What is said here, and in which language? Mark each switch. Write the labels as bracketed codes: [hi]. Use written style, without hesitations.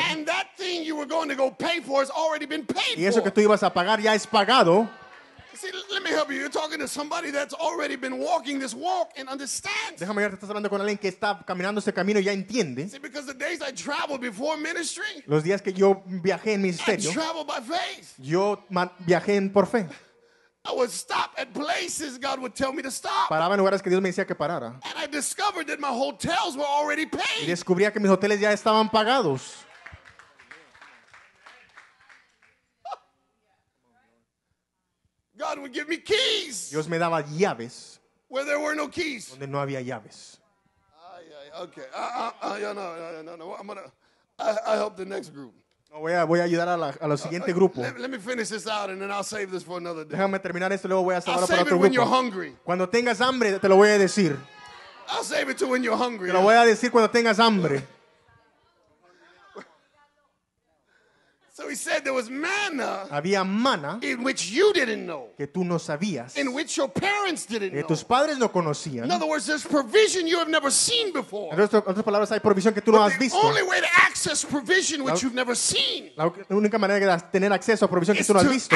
[en] And that thing you were going to go pay for has already been paid for. [es] Y eso que tú ibas a pagar ya es pagado. [en] See, let me help you. You're talking to somebody that's already been walking this walk and understands. [es] Déjame ver, estás hablando con alguien que está caminando este camino y ya entiende. [en] See, because the days I traveled before ministry. [es] Los días que yo viajé en ministerio. [en] I traveled by faith. [es] Yo viajé por fe. [en] I would stop at places God would tell me to stop. [es] Paraba en lugares que Dios me decía que parara. [en] And I discovered that my hotels were already paid. [es] Y descubría que mis hoteles ya estaban pagados. [en] God would give me keys. [es] Dios me daba llaves. [en] Where there were no keys. [es] Donde no había llaves. [en] Okay. I help the next group. [es] Voy a ayudar a lo siguiente grupo. [en] Let me finish this out and then I'll save this for another day. [es] Déjame terminar esto luego voy a salvarlo para otro grupo. [en] I'll save it when you're hungry. [es] Cuando tengas hambre te lo voy a decir. [en] I'll save it to when you're hungry. [es] Te lo voy a decir cuando tengas hambre. [en] So he said there was manna. [es] Había manna [en] in which you didn't know. [es] Que tú no sabías. [en] In which your parents didn't know. [es] Que tus padres no conocían. [en] In other words, there's provision you have never seen before. [es] En otras palabras, hay provisión que tú no has visto. [en] The only way to access provision which you've never seen. [es] La única manera de tener acceso a provisión que tú no has visto.